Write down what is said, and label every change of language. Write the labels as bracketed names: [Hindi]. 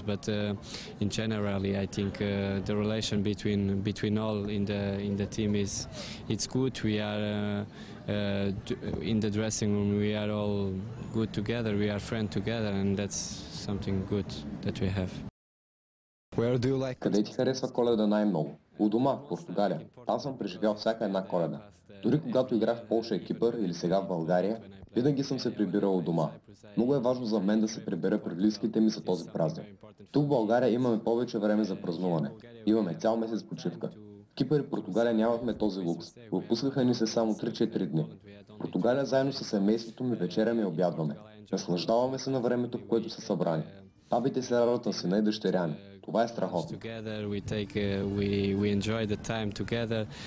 [English] But in generally, I think the relation between all in the team is it's good. We are in the dressing room. We are all good together. We are friends together, and that's something good that we have. Where do you like? [Bulgarian] Къде ти харесва Коледа най-много? У дома, в Португалия. Там съм преживял всяка една Коледа. Дори когато играх в Полша и Кипър или сега в България, винаги съм се прибирал у дома. Много е важно за мен да се прибера при близките ми за този празник. Тук в България имаме повече време за празнуване. Имаме цял месец почивка. В Кипър и Португалия нямахме този лукс. Отпускаха ни се само 3-4 дни. В Португалия заедно с семейството ми вечеряме и обядваме. Наслаждаваме се на времето, в което са събрани. Бабите се радват на сина и дъщеря ми. [English] Together we take we enjoy the time together.